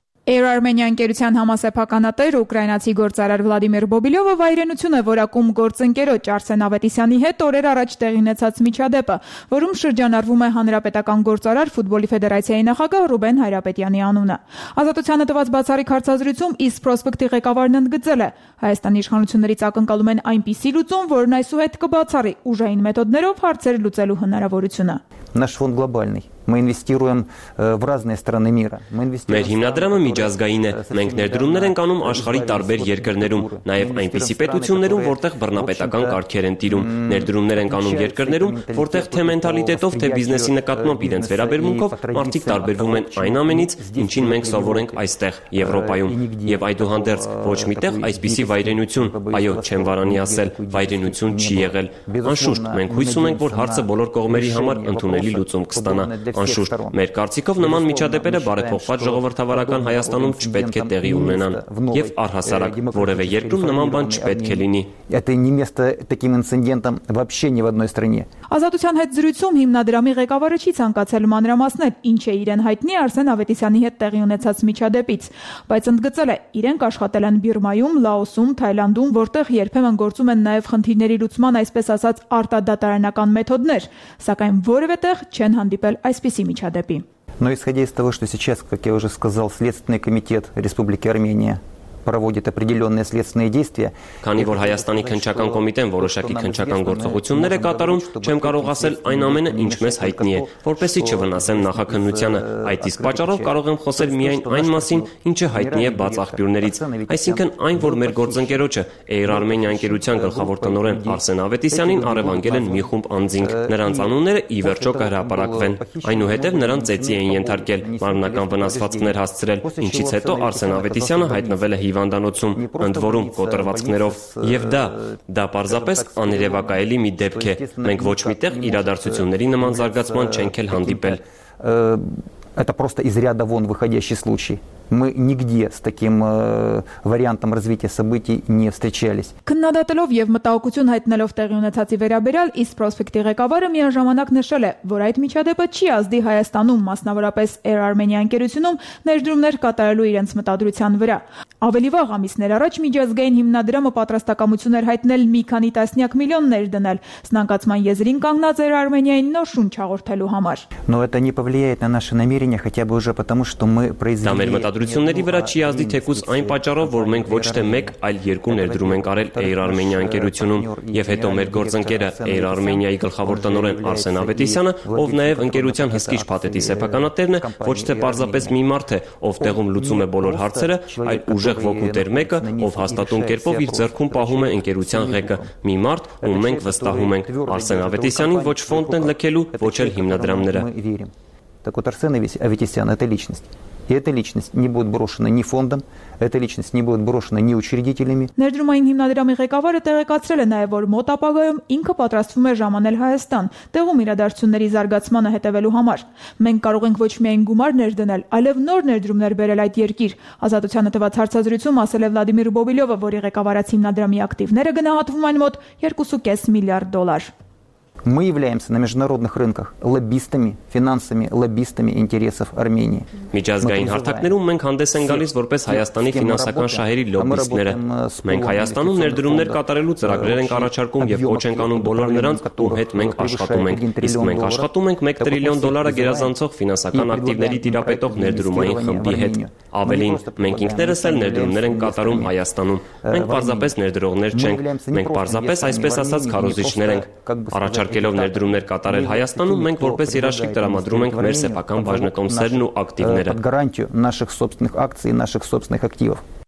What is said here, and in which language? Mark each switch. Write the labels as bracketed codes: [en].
[hy] Air Armenia ընկերության համասեփականատեր ուկրաինացի գործարար Վլադիմիր Բոբիլյովը վայրենություն է որակում գործընկերոջ Արսեն Ավետիսյանի հետ օրեր առաջ տեղի ունեցած միջադեպը, որում շրջանառվում է հանրապետական գործարար ֆուտբոլի ֆեդերացիայի նախագահ Ռուբեն Հայրապետյանի անունը։ Ազատությանը տված բացառիկ հարցազրույցում East Prospect-ի ղեկավարն ընդգծել է. Հայաստանի իշխանություններից ակնկալում են այնպիսի լուծում, որն այսուհետ կբացառի ուժային մեթոդներով հարցեր լուծելու հնարավորությունը։ [ru] Наш фонд глобальный. Мы инвестируем в разные страны мира. [hy] Մեր հիմնադրամը միջազգային է։ Մենք ներդրումներ ենք անում աշխարհի տարբեր երկրներում, նաև այնպիսի պետություններում, որտեղ բռնապետական կարգեր են տիրում։ Ներդրումներ ենք անում երկրներում, որտեղ թե մենթալիտետով, թե բիզնեսի նկատմամբ իրենց վերաբերմունքով մարդիկ տարբերվում են այն ամենից, ինչին մենք սովոր ենք այստեղ, Եվրոպայում։ Եվ այդուհանդերձ ոչ միտեղ այսպիսի վայրենություն, այո, չեմ վարանի ասել, վայրենություն չի եղել։ Անշուշտ մենք հույսում ենք, որ հարցը բոլոր կողմերի համար ընդունելի լուծում կստանա։ Անշուշտ, մեր կարծիքով նման միջադեպերը բարեփոխված ժողովրդավարական Հայաստանում չպետք է տեղի ունենան, և առհասարակ որևէ երկրում նման բան չպետք է լինի։ [ru] Это не место таким инцидентам вообще ни в одной стране։ [hy] Ազատության հետ զրույցում հիմնադրամի ղեկավարը չի ցանկացել մանրամասնել, ինչ է իրեն հայտնի Արսեն Ավետիսյանի հետ տեղի ունեցած միջադեպից, բայց ընդգծել է, իրենք աշխատել են Բիրմայում, Լաոսում, Թայլանդում, որտեղ երբեմն գործում են նաև խնդիրների լուծման այսպես ասած արտադատարանական մեթոդներ, սակայն որևէ տեղ չեն հանդիպել այսպիսի միջադեպի։ [ru] Но исходя из того, что сейчас, как я уже сказал, Следственный комитет Республики Армения проводит определённые следственные действия. [hy] Քանի որ Հայաստանի քննչական կոմիտեն որոշակի քննչական գործողություններ է կատարում, չեմ կարող ասել այն ամենը, ինչ մեզ հայտնի է, որպեսզի չվնասեմ նախաքննությանը։ Այդ իսկ պատճառով կարող եմ խոսել միայն այն մասին, ինչը հայտնի է բաց աղբյուրներից, այսինքն այն, որ մեր գործընկերոջը Air Armenia ընկերության գլխավոր տնօրեն Արսեն Ավետիսյանին առևանգել են մի խումբ անձինք, նրանց անունները ի վերջո կհրապարակվեն, այնուհետև նրան ծեծի են ենթարկել, մարմնական վնասվածքներ հասցրել, ինչից հետո Արսեն Ավետիսյանը հայտնվել է հիվանդանոցում, ընդ որում կոտրվածքներով, և դա պարզապես աներևակայելի մի դեպք է, մենք ոչ մի տեղ իրադարձությունների նման զարգացման չենք էլ հանդիպել։ [ru] Это просто из ряда вон выходящий случай. Мы нигде с таким вариантом развития событий не встречались. [hy] Քննադատելով եւ մտահոգություն հայտնելով տեղի ունեցածի վերաբերյալ East Prospect-ի ղեկավարը միաժամանակ նշել է, որ այդ միջադեպը չի ազդի Հայաստանում, մասնավորապես Air Armenia ընկերությունում ներդրումներ կատարելու իրենց մտադրության վրա։ Ավելի վաղ ամիսներ առաջ միջազգային հիմնադրամը պատրաստակամություն էր հայտնել մի քանի տասնյակ միլիոններ դնել սնանկացման եզրին կանգնած Air Armenia-ին նոր շունչ հաղորդելու համար։ [ru] Но это не повлияет на наши намерения, хотя бы уже потому, что мы произвели [hy] Մտադրությունների վրա չի ազդի թեկուզ այն պատճառով, որ մենք ոչ թե մեկ, այլ երկու ներդրում ենք արել Air Armenia ընկերությունում, և հետո մեր գործընկերը Air Armenia-ի գլխավոր տնօրեն Արսեն Ավետիսյանը, ով նաև ընկերության հսկիչ փաթեթի սեփականատերն է, ոչ թե պարզապես մի մարդ է, ով տեղում լուծում է բոլոր հարցերը, այլ ուժեղ ոգու դեր մեկը, ով հաստատուն կերպով իր ձեռքում պահում է ընկերության ղեկը, մի մարդ, ում մենք վստահում ենք, Արսեն Ավետիսյանին ոչ ֆոնդն են լքելու, ոչ էլ հիմնադրամները։ [ru] Так вот, Арсен Аветисян – это личность. И эта личность не будет брошена ни фондом, эта личность не будет брошена ни учредителями. [hy] Ներդրումային հիմնադրամի ղեկավարը տեղեկացրել է նաև, որ մոտ ապագայում ինքը պատրաստվում է ժամանել Հայաստան, տեղում իրադարձությունների զարգացմանը հետևելու համար։ Մենք կարող ենք ոչ միայն գումար ներդնել, այլև նոր ներդրումներ բերել այդ երկիր։ Ազատությանը տված հարցազրույցում ասել է Վլադիմիր Բոբիլյովը, որի ղեկավարած հիմնադրամի ակտիվները գնահատվում են մոտ 2.5 միլիարդ դոլար։ [ru] Мы являемся на международных рынках лоббистами, финансами, лоббистами интересов Армении. [hy] Միջազգային հարթակներում մենք հանդես ենք գալիս որպես Հայաստանի ֆինանսական շահերի լոբիստները։ Մենք Հայաստանում ներդրումներ կատարելու ծրագրեր ենք առաջարկում և ոչ ենք անում բոլոր նրանց, ում հետ մենք աշխատում ենք։ Իսկ մենք աշխատում ենք 1 տրիլիոն դոլարը գերազանցող ֆինանսական ակտիվների տիրապետող ներդրումային խմբի հետ։ Ավելին, մենք ինքներս էլ ներդրումներ ենք կատարում Հայաստանում։ Մենք պարզապես ներդրողներ չենք, մենք պարզապես այսպես ասած քարոզիչներ ենք։ Առաջարկելով ներդրումներ կատարել Հայաստանում, մենք որպես երաշխիք տրամադրում ենք մեր սեփական բաժնետոմսերն ու ակտիվները [ru] под гарантию наших собственных акций и наших собственных активов.